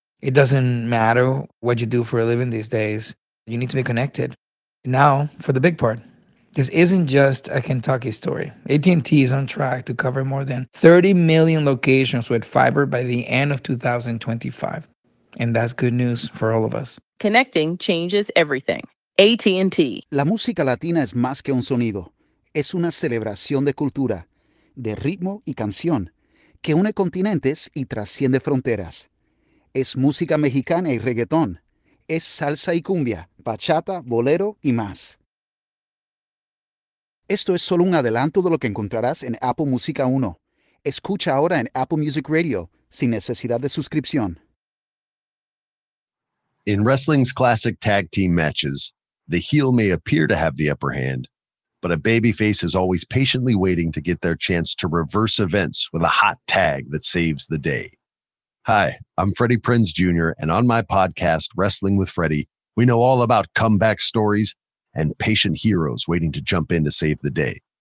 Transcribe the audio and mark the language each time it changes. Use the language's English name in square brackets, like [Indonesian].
[English] It doesn't matter what you do for a living these days. You need to be connected. Now for the big part. This isn't just a Kentucky story. AT&T is on track to cover more than 30 million locations with fiber by the end of 2025. And that's good news for all of us. Connecting changes everything. AT&T. [Spanish] La música latina es más que un sonido. Es una celebración de cultura, de ritmo y canción, que une continentes y trasciende fronteras. Es música mexicana y reggaetón. Es salsa y cumbia, bachata, bolero y más. Esto es solo un adelanto de lo que encontrarás en Apple Música 1. Escucha ahora en Apple Music Radio, sin necesidad de suscripción. [English] In wrestling's classic tag team matches, the heel may appear to have the upper hand, but a babyface is always patiently waiting to get their chance to reverse events with a hot tag that saves the day. Hi, I'm Freddie Prinz Jr., and on my podcast, Wrestling with Freddie, we know all about comeback stories and patient heroes waiting to jump in to save the day.